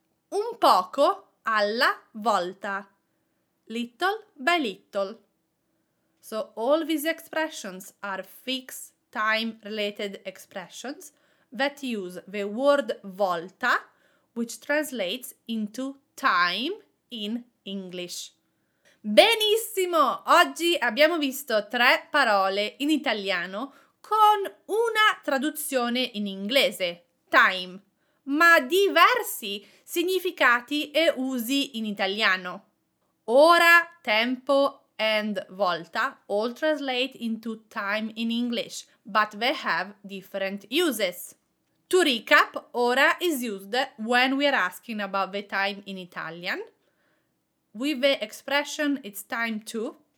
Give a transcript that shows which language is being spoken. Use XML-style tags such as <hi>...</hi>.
<it>Un poco alla volta,</it> <en>little by little. So all these expressions are fixed time related expressions that use the word volta, which translates into time in English.</en> <it>Benissimo! Oggi abbiamo visto tre parole in italiano con una traduzione in inglese, time, ma diversi significati e usi in italiano.</it> <en>Ora, tempo and volta all translate into time in English, but they have different uses. To recap, ora is used when we are asking about the time in Italian, with the expression it's time to.</en>